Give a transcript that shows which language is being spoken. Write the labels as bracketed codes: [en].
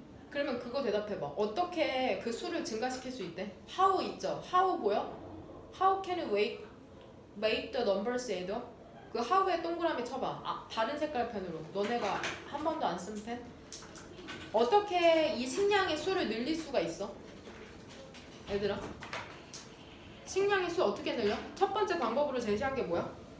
[ko] 그러면 그거 대답해봐. 어떻게 그 수를 증가시킬 수 있대? How 있죠? How 보여? [en] How can we make the numbers add up? [ko] 그 How에 동그라미 쳐봐. 아, 다른 색깔 펜으로. 너네가 한 번도 안 쓴 펜? 어떻게 이 식량의 수를 늘릴 수가 있어? 얘들아. 식량의 수 어떻게 늘려? 첫 번째 방법으로 제시한 게 뭐야?